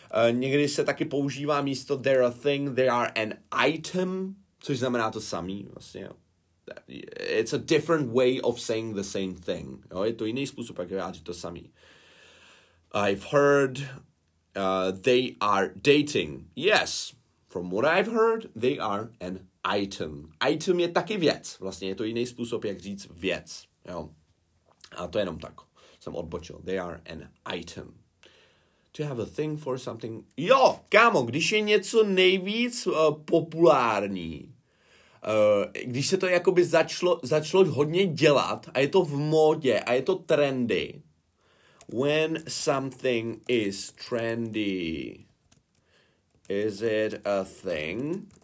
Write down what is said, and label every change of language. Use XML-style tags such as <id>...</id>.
<cs>Někdy se taky používá místo</cs> <en>they're a thing, they are an item,</en> <cs>což znamená to samý vlastně, jo.</cs> <en>It's a different way of saying the same thing.</en> <cs>Jo, je to jiný způsob, jak vyjádřit to samý.</cs> <en>I've heard they are dating. Yes, from what I've heard, they are an item.</en> <cs>Item je taky věc. Vlastně je to jiný způsob, jak říct věc. Jo. A to jenom tak. Jsem odbočil.</cs> <en>They are an item. To have a thing for something.</en> <cs>Jo, kámo, když je něco nejvíc populární, když se to jakoby začalo hodně dělat a je to v módě a je to trendy.</cs> <en>When something is trendy, is it a thing?</en>